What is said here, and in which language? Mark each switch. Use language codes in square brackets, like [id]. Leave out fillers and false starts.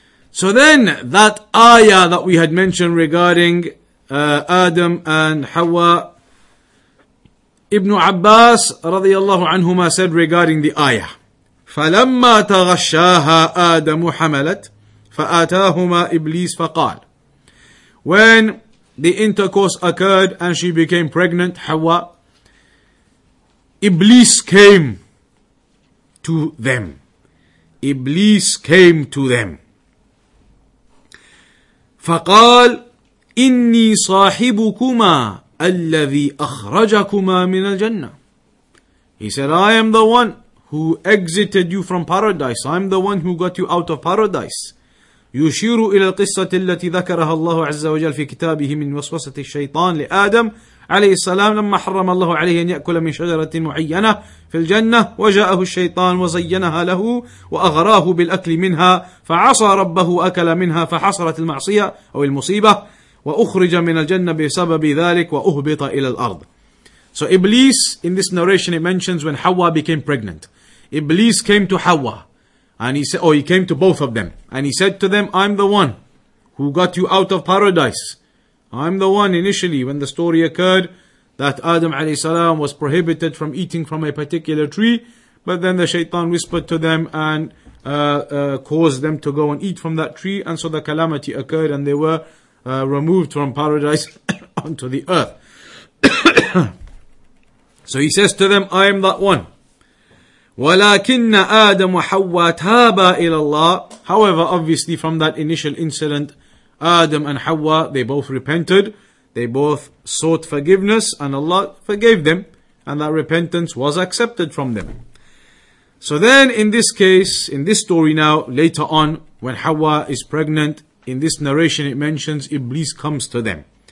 [en] So then, that ayah that we had mentioned regarding Adam and Hawa, Ibn Abbas radiyallahu anhuma said regarding the ayah, [ar] فَلَمَّا تَغَشَّاهَا آدَمُ حَمَلَتْ فَآتَاهُمَا إِبْلِيسَ فَقَالْ. [en] When the intercourse occurred and she became pregnant, Hawa, Iblis came to them. Iblis came to them. [ar] فقال إني صاحبكما الذي أخرجكما من الجنة. [en] He said, I am the one who exited you from paradise. I am the one who got you out of paradise. [ar] يشير إلى القصة التي ذكرها الله عز وجل في كتابه من وسوسة الشيطان لآدم عليه السلام لما حرم الله عليه أن يأكل من شجرة معينة في الجنة وجاءه الشيطان وزينها له وأغراه بالأكل منها فعصى ربه أكل منها فحصلت المعصية أو المصيبة وأخرج من الجنة بسبب ذلك وأهبط إلى الأرض. [en] So Iblis, in this narration it mentions when Hawa became pregnant. Iblis came to Hawa. And he said, he came to both of them. And he said to them, I'm the one who got you out of paradise. I'm the one initially when the story occurred that Adam alayhi salam was prohibited from eating from a particular tree. But then the shaitan whispered to them and caused them to go and eat from that tree. And so the calamity occurred and they were removed from paradise onto the earth. So he says to them, I am that one. [ar] ولكن آدم وحواء تابا إلى الله. [en] However, obviously from that initial incident, Adam and Hawa, they both repented. They both sought forgiveness and Allah forgave them. And that repentance was accepted from them. So then in this case, in this story now, later on, when Hawa is pregnant, in this narration it mentions Iblis comes to them.